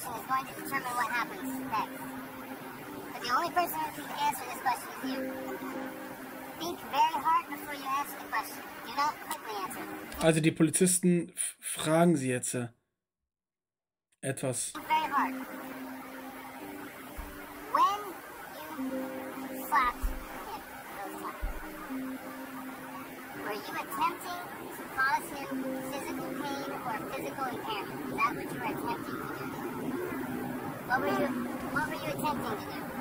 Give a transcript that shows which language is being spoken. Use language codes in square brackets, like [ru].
[en] going to determine what happens next. But the only person who can answer this question is you. Think very hard before you answer the question. Do not quickly answer. [de] Also die Polizisten fragen sie jetzt etwas. [en] Think very hard. When you slapped him, were you attempting to cause him physical pain or physical impairment? Is that what you were attempting to do? What were you attempting to do?